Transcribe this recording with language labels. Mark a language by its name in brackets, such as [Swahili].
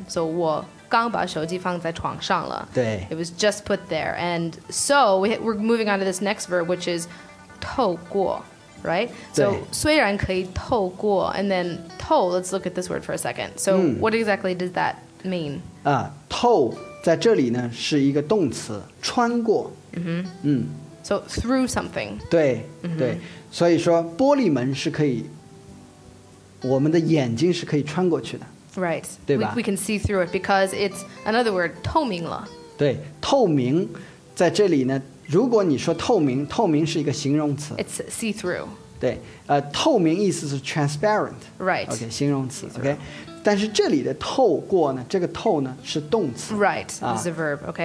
[Chinese] So 我刚把手机放在床上了。对。 [English] It was just put there. And so we're moving on to this next verb, which is 透过 right? So 虽然可以透过 and then 透 let's look at this word for a second. So what exactly does that mean? [Chinese] 透在这里呢是一个动词穿过。 [English] So through something. [Chinese] 对对，所以说玻璃门是可以，我们的眼睛是可以穿过去的。 [English] Right. [Chinese] 对吧 [English] we can see through it because it's another word, 透明了。 [Chinese] 对，透明在这里呢，如果你说透明，透明是一个形容词。 [English] It's see through. [Chinese] 对，透明意思是 transparent. [English] Right. Okay, 形容词。Okay. [Chinese] 但是这里的透过呢，这个透呢是动词。 [English] Right. It's a verb. Okay.